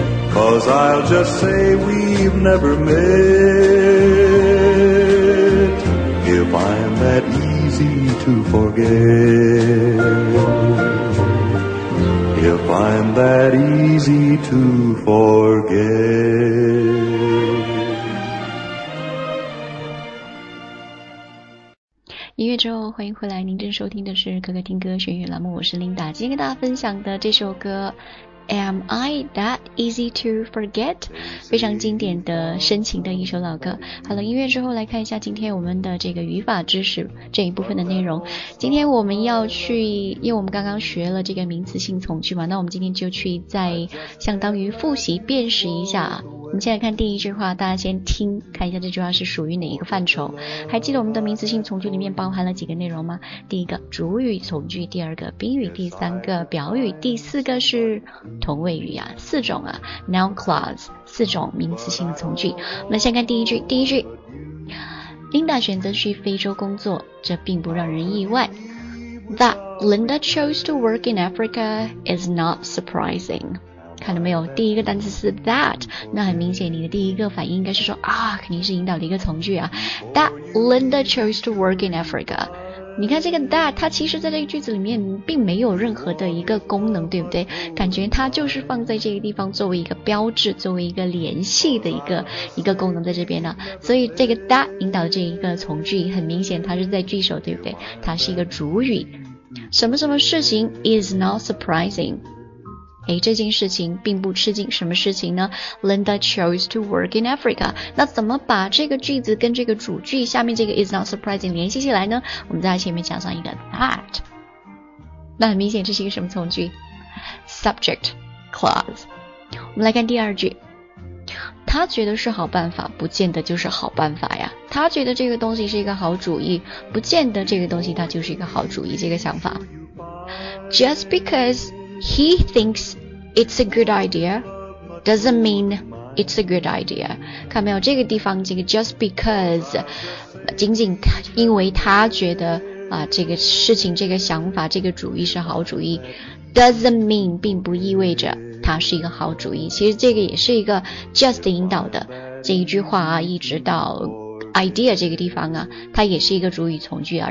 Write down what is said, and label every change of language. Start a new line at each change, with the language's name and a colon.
English: 'Cause I'll just say we've never met if I'm that easy to forget. If I'm that easy to forget.
Chinese: 音乐之后，欢迎回来，您正收听的是可可听歌选语栏目，我是琳达。今天跟大家分享的这首歌 Am I That Easy To Forget? 非常经典的深情的一首老歌。好了，音乐之后来看一下今天我们的这个语法知识这一部分的内容。今天我们要去，因为我们刚刚学了这个名词性从句嘛，那我们今天就去再相当于复习辨识一下。我们先来看第一句话，大家先听看一下这句话是属于哪一个范畴。还记得我们的名词性从句里面包含了几个内容吗？第一个主语从句，第二个宾语，第三个表语，第四个是同位语啊，四种啊 noun clause 四种名词性从句。我们先看第一句，第一句 Linda 选择去非洲工作，这并不让人意外。
English: That Linda chose to work in Africa is not surprising.
Chinese: 看到没有，第一个单词是 that， 那很明显你的第一个反应应该是说啊，肯定是引导的一个从句啊。
English: That Linda chose to work in Africa，
Chinese: 你看这个 that， 它其实在这个句子里面并没有任何的一个功能，对不对？感觉它就是放在这个地方作为一个标志，作为一个联系的一个功能在这边呢。所以这个 that 引导的这一个从句，很明显它是在句首，对不对？它是一个主语，什么什么事情
English: is not surprising。
Chinese: 哎，这件事情并不吃惊，什么事情呢？
English: Linda chose to work in Africa。
Chinese: 那怎么把这个句子跟这个主句下面这个
English: is not surprising
Chinese: 联系起来呢？我们在前面加上一个 that， 那很明显这是一个什么从句？
English: subject clause。
Chinese: 我们来看第二句，他觉得是好办法，不见得就是好办法呀。他觉得这个东西是一个好主意，不见得这个东西它就是一个好主意，这个想法。
English: Just becauseHe thinks it's a good idea doesn't mean it's a good idea.
Chinese: 看没有，这个地方这个
English: just because
Chinese: 仅仅因为他觉得啊，这个事情这个想法这个主意是好主意
English: doesn't mean
Chinese: 并不意味着它是一个好主意。其实这个也是一个 just 引导的这一句话啊，一直到idea 这个地方啊，它也是一个主语从句啊。